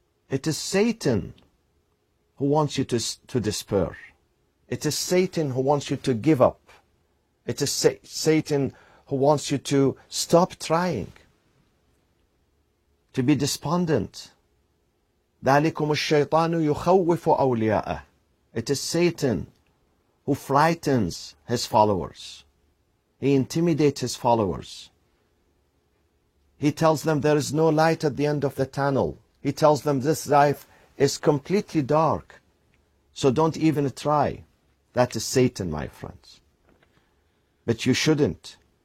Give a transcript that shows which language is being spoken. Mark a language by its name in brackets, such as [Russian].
[English] It is Satan who wants you to despair. It is Satan who wants you to give up. It is Satan who wants you to stop trying. To be despondent. [Arabic] ذلكم الشيطان يخوف أولياءه. [English] It is Satan who frightens his followers. He intimidates his followers. He tells them there is no light at the end of the tunnel. He tells them this life is completely dark. So don't even try. That is Satan, my friends. But you shouldn't.